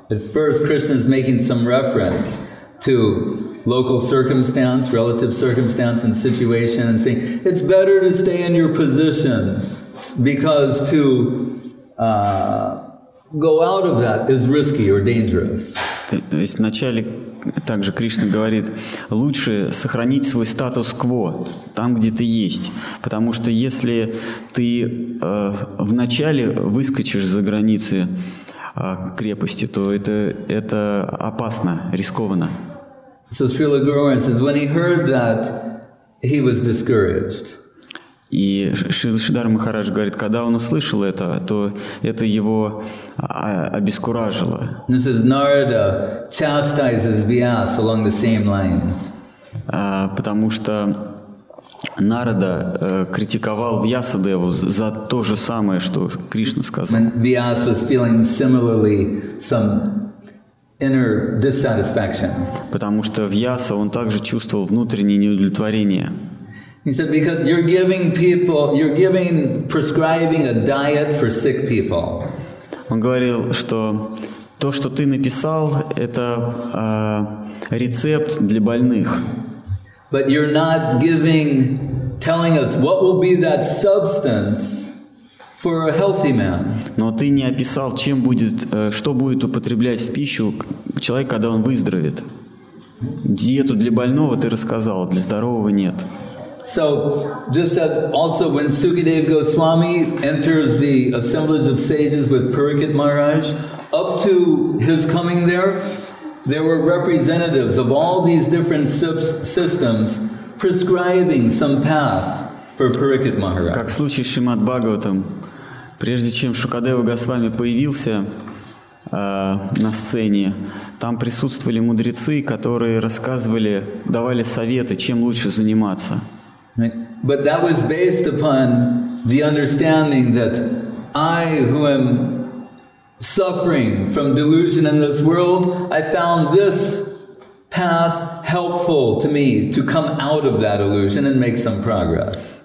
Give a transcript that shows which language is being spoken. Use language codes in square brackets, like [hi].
[en] At first, Krishna is making some reference to local circumstance, relative circumstance and situation, and saying, it's better to stay in your position because to go out of that is risky or dangerous. [ru] То есть вначале также Кришна говорит, лучше сохранить свой статус-кво там, где ты есть. Потому что если ты вначале выскочишь за границы крепости, то это опасно, рискованно. [en] So Srila Guru Maharaj says, when he heard that, he was discouraged. [ru] И Шридхар Махарадж говорит, когда он услышал это, то это его обескуражило. [en] This is Narada chastises Vyasa along the same lines. [ru] Потому что Нарада критиковал Вьясадеву за то же самое, что Кришна сказал. [en] When Vyasa was feeling similarly some inner dissatisfaction. [ru] Потому что Вьяса, он также чувствовал внутреннее неудовлетворение. [en] He said, because you're giving people, you're giving, prescribing a diet for sick people. [ru] Он говорил, что то, что ты написал, это рецепт для больных. [en] But you're not giving, telling us what will be that substance for a healthy man. [ru] Но ты не описал, чем будет, что будет употреблять в пищу человек, когда он выздоровеет. Диету для больного ты рассказал, для здорового нет. [en] So, just as also when Sukadeva Goswami enters the assemblage of sages with Parikshit Maharaj, up to his coming there, there were representatives of all these different systems prescribing some path for Parikshit Maharaj. [ru] Как в случае с Шримад Бхагаватам, прежде чем Шукадева Госвами появился на сцене, там присутствовали мудрецы, которые рассказывали, давали советы, чем лучше заниматься. [en] But that was based upon the understanding that I, who am suffering from delusion in this world, I found this path helpful to me to come out of that illusion and make some progress?